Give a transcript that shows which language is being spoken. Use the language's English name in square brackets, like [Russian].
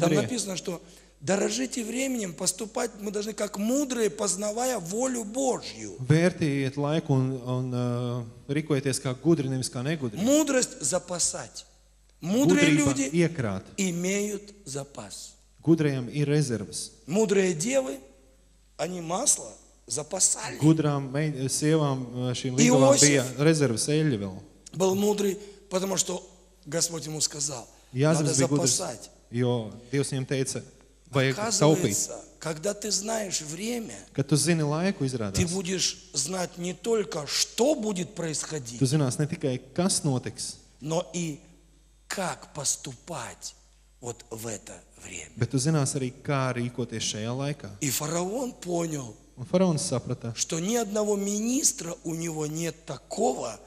[Russian] Там написано, что дорожите временем, поступать мы должны как мудрые, познавая волю Божью. [Latvian] Vērtējiet laiku un rīkojieties kā gudri, nevis kā negudri. [Russian] Мудрость запасать. Мудрые люди [Latvian] iekrāt. [Russian] Имеют запас. [Latvian] Gudrajiem ir rezervas. [Russian] Мудрые девы, они масло запасали. [Latvian] Gudrām sievām šīm līgavām bija rezervas eļļa vēl. [Russian] Был мудрый, потому что Господь ему сказал, [Latvian] Jāzeps [Russian] надо запасать. [Latvian] Jo Dievs viņam teica, vajag taupīt. [Russian] Когда ты знаешь время, [Latvian] kad tu zini laiku, izrādās, [Russian] ты будешь знать не только, что будет происходить, [Latvian] tu zinās ne tikai, kas notiks, [Russian] но и как поступать Вот в это время. [Latvian] Bet tu zinās arī, kā rīkoties šajā laikā. [Russian] И фараон понял. [Latvian] Un faraons saprata, [Russian] что ни одного министра у него нет такого,